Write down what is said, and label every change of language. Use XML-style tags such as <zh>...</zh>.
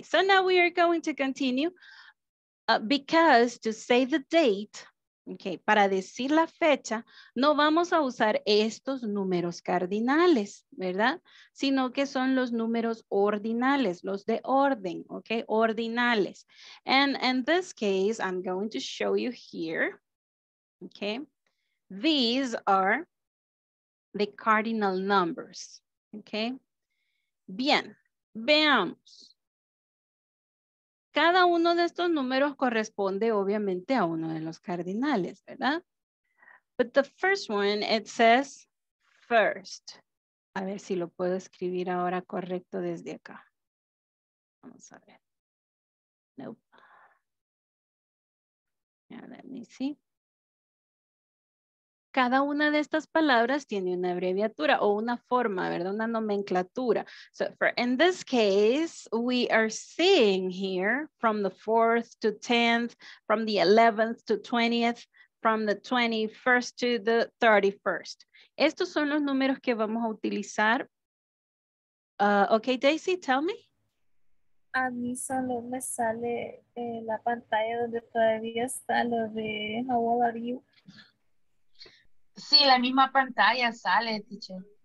<en>So now we are going to continue. Because to say the date,</en> <es>Okay, para decir la fecha, no vamos a usar estos números cardinales, ¿verdad? Sino que son los números ordinales, los de orden, okay, ordinales.</es> <en>And in this case, I'm going to show you here, okay? These are the cardinal numbers, okay?</en> <es>Bien, veamos. Cada uno de estos números corresponde obviamente a uno de los cardinales, ¿verdad?</es> <en>But the first one, it says first.</en> <es>A ver si lo puedo escribir ahora correcto desde acá. Vamos a ver. Nope.</es> <en>Yeah, let me see.</en> <es>Cada una de estas palabras tiene una abreviatura o una forma, ¿verdad? Una nomenclatura.</es> <en>So for in this case, we are seeing here from the 4th to 10th, from the 11th to 20th, from the 21st to the 31st.</en> <es>Estos son los números que vamos a utilizar.</es> <en>Okay, Daisy, tell me.</en> <es>A mí solo me sale la pantalla donde todavía está lo de</es> <en>how old are you?</en> <es>Sí, la misma pantalla sale, teacher.</es>